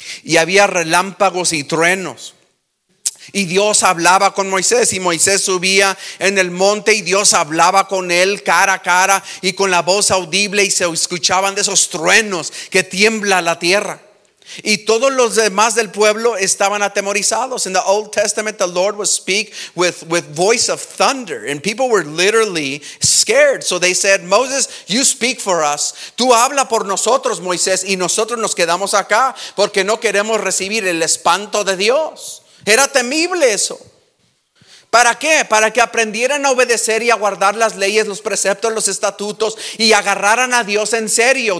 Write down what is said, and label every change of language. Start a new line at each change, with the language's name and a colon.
Spanish: Y había relámpagos y truenos. Y Dios hablaba con Moisés. Y Moisés subía en el monte y Dios hablaba con él cara a cara y con la voz audible. Y se escuchaban de esos truenos que tiembla la tierra. Y todos los demás del pueblo estaban atemorizados.
English: In the Old Testament, the Lord would speak with voice of thunder. And people were literally scared. So they said, Moses, you speak for us.
Spanish: Tú habla por nosotros, Moisés, y nosotros nos quedamos acá porque no queremos recibir el espanto de Dios. Era temible eso. ¿Para qué? Para que aprendieran a obedecer y a guardar las leyes, los preceptos, los estatutos y agarraran a Dios en serio.